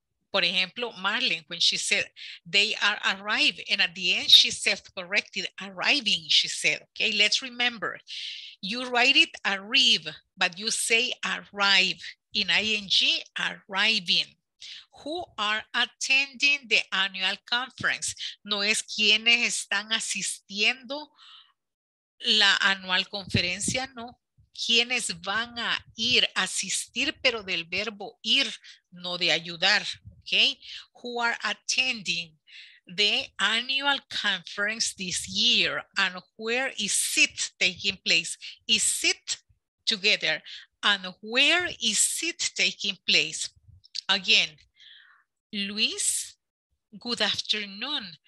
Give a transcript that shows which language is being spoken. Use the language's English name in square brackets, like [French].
[Spanish] Por ejemplo, [English] Marlene, when she said, they are arriving, and at the end she self-corrected, arriving, she said, okay, let's remember, you write it arrive, but you say arrive, in ing, arriving. Who are attending the annual conference? [Spanish] No es quienes están asistiendo la anual conferencia, no. Quienes van a ir, asistir, pero del verbo ir, no de ayudar, okay? [English] Who are attending the annual conference this year? And where is it taking place? Is it together? And where is it taking place? Again, Luis, good afternoon.